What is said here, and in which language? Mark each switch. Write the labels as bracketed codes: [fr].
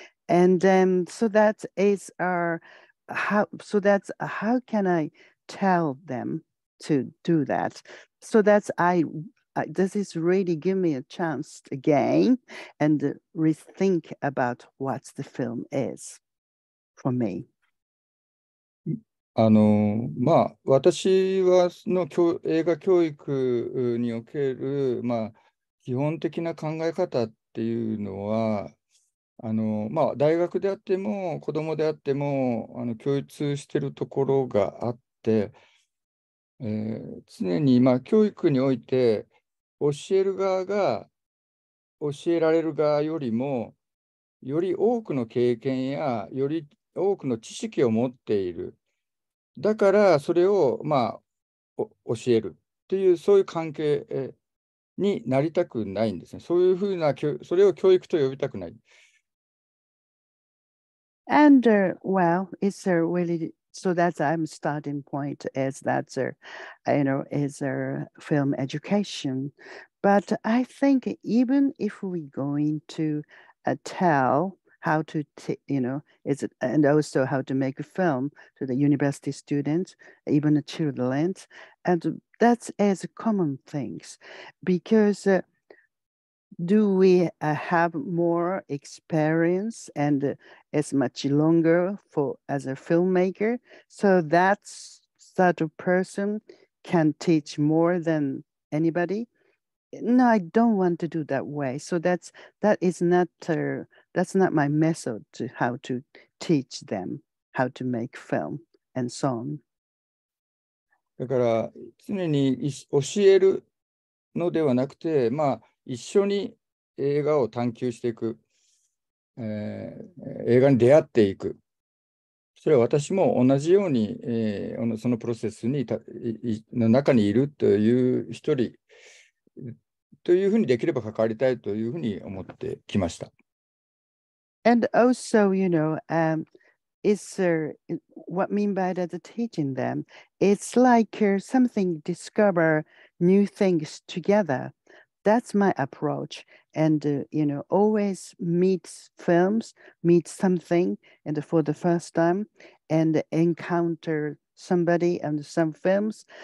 [en] And so that is our, how, so that's how can I tell them to do that? So that's, this is really give me a chance again and rethink about what the film is for me. [ja] あのまあ、私はの映画教育における、まあ、基本的な考え方っていうのはあの、まあ、大学であっても子どもであってもあの共通しているところがあって、常に、まあ、教育において教える側が教えられる側よりもより多くの経験やより多くの知識を持っている、だからそれを、まあ、教えるっていうそういう関係になりたくないんですね。そういうふうな、それを教育と呼びたくない。 [en] And, well, it's a really, so that's I'm starting point is that's a, you know, is a film education. But I think even if we're going to tell,how to, you know, is it, and also how to make a film to the university students, even the children. And that is common things because do we have more experience and as much longer for as a filmmaker? So that's sort of person can teach more than anybody. No, I don't want to do that way. So that's, that is not a,That's not my method to how to teach them how to make film and so on. [ja] だから常に教えるのではなくて、まあ一緒に映画を探求していく、映画に出会っていく。それは私も同じように、そのプロセスにの中にいるという一人というふうにできれば関わりたいというふうに思ってきました。 [en] And also, you know, it's what mean by that teaching them, it's like something discover new things together. That's my approach. And, you know, always meet films, meet something and for the first time and encounter somebody and some films.